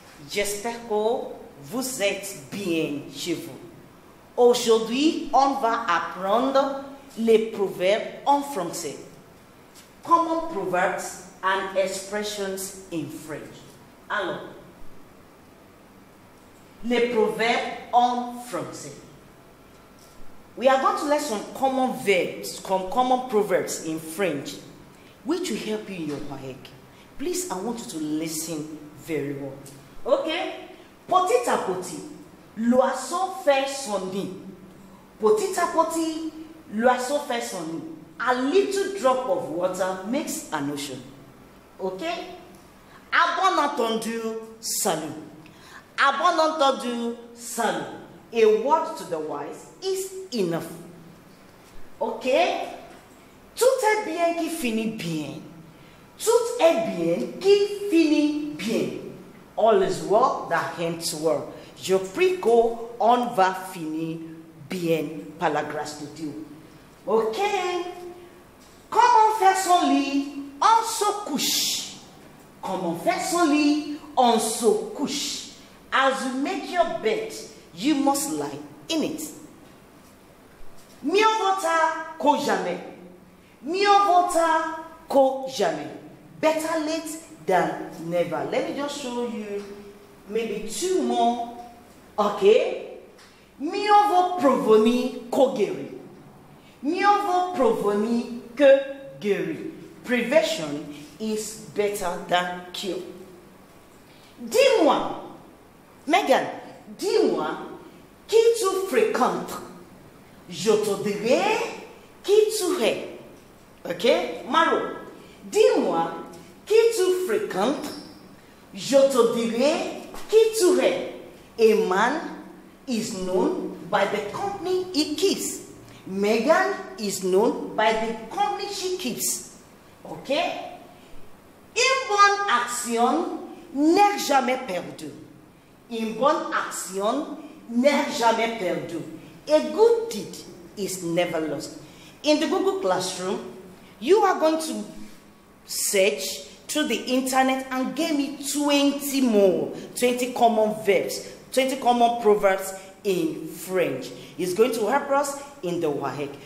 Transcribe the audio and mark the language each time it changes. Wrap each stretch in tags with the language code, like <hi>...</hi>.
<fr>J'espère que vous êtes bien chez vous. Aujourd'hui, on va apprendre les proverbes en français.</fr> <en>Common proverbs and expressions in French.</en> <fr>Alors, les proverbes en français.</fr> <en>We are going to learn some common verbs, some common proverbs in French, which will help you in your work. Please, I want you to listen very well. Okay?</en> <fr>Petit à petit, l'oiseau fait son nid. Petit à petit, l'oiseau fait son nid.</fr> <en>A little drop of water makes an ocean. Okay?</en> <fr>A bon entendu, salut. A bon entendu, salut.</fr> <en>A word to the wise is enough. Okay?</en> <fr>Tout est bien qui finit bien. Tout est bien qui finit bien.</fr> <en>All is well that ends well.</en> <fr>Je prie qu'on va finir bien par la grâce de Dieu. Okay? Comment faire son lit? On se couche. Comment faire son lit? On se couche.</fr> <en>As you make your bed, you must lie in it.</en> <fr>Mieux vaut tard que jamais. Mieux vaut tard que jamais.</fr> <en>Better late than never. Let me just show you maybe two more. Okay?</en> <fr>Mieux vaut prévenir que guérir. Mieux vaut prévenir que guérir.</fr> <en>Prevention is better than cure.</en> <fr>Dis-moi, Megan, dis-moi, qui tu fréquentes? Je te dirai qui tu es. Ok? Maro, dis-moi, qui tu fréquentes? Je te dirai qui tu es.</fr> <en>A man is known by the company he keeps. Megan is known by the company she keeps. Ok?</en> <fr>Une bonne action n'est jamais perdue. Une bonne action n'est jamais perdue.</fr> <en>A good deed is never lost. In the Google Classroom, you are going to search through the internet and give me 20 more, 20 common verbs, 20 common proverbs in French. It's going to help us in the WAHEC.</en>